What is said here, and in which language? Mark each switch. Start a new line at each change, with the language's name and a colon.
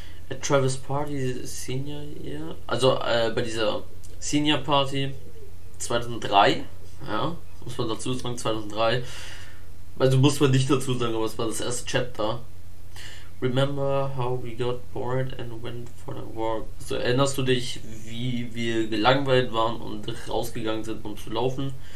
English: At Travis Party Senior Year.
German: Also bei dieser Senior Party 2003, ja, muss man dazu sagen, 2003. Also muss man nicht dazu sagen, aber es war das erste Chapter.
English: Remember how we got bored and went for the walk.
German: So, erinnerst du dich, wie wir gelangweilt waren und rausgegangen sind, um zu laufen?